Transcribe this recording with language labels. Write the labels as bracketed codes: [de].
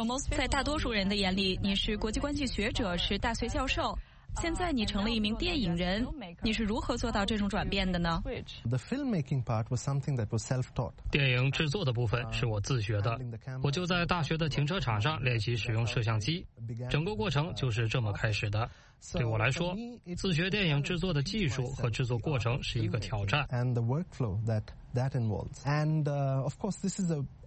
[zh] 在大多数人的眼里，你是国际关系学者，是大学教授，现在你成了一名电影人，你是如何做到这种转变的呢？ [en] The filmmaking part was something that was self-taught. [zh] 电影制作的部分是我自学的，我就在大学的停车场上练习使用摄像机，整个过程就是这么开始的。对我来说，自学电影制作的技术和制作过程是一个挑战。 [en] And the workflow that involves. And of course, this is a